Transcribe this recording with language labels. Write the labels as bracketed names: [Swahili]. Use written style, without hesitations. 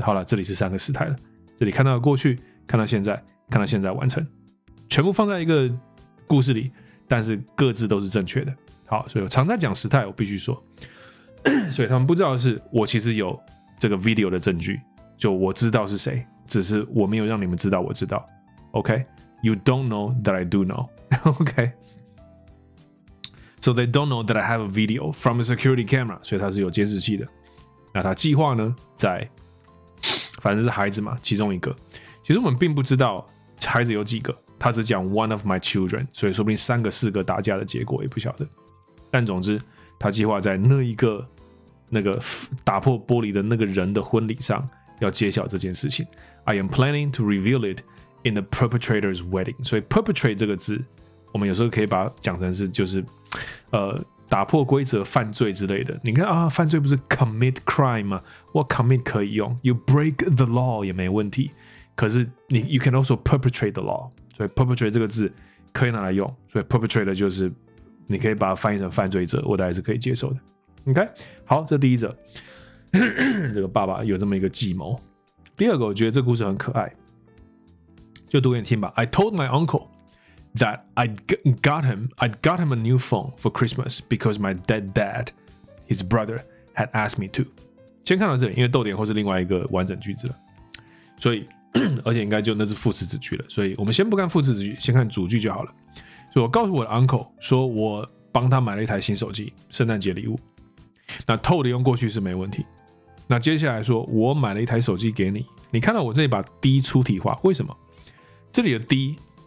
[Chinese] 好了，这里是三个时态了。这里看到过去，看到现在，看到现在完成，全部放在一个故事里，但是各自都是正确的。好，所以我常在讲时态，我必须说所以他们不知道的是，我其实有这个 video 的证据，就我知道是谁，只是我没有让你们知道我知道。 [English] OK， You don't know that I do know. OK， So they don't know that I have a video from a security camera. [Chinese] 所以他是有监视器的。那他计划呢，在反正是孩子嘛，其中一个。其实我们并不知道孩子有几个，他只讲 [English] one of my children， [Chinese] 所以说不定三个四个打架的结果也不晓得。但总之，他计划在那一个那个打破玻璃的那个人的婚礼上要揭晓这件事情。 [English] I am planning to reveal it in the perpetrator's wedding。 [Chinese] 所以 perpetrate 这个字，我们有时候可以把它讲成是就是打破规则、犯罪之类的，你看啊，犯罪不是 [English] commit crime [Chinese] 吗？我 commit 可以用 ， [English] you break the law [Chinese] 也没问题。可是你 [English] you can also perpetrate the law， [Chinese] 所以 perpetrate 这个字可以拿来用。所以 perpetrate 就是你可以把它翻译成犯罪者，我大概是可以接受的。 OK， 好，这第一则，这个爸爸有这么一个计谋。第二个，我觉得这故事很可爱，就读给你听吧。 [English] I told my uncle. That I got him a new phone for Christmas because my dead dad, his brother, had asked me to. [Chinese] 先看到这里，因为逗点后是另外一个完整句子了，所以而且应该就那是副词子句了，所以我们先不看副词子句，先看主句就好了。所以我告诉我的 uncle 说我帮他买了一台新手机，圣诞节礼物。那 told 用过去是没问题。那接下来说我买了一台手机给你，你看到我这里把 D 出体化，为什么？这里的 D。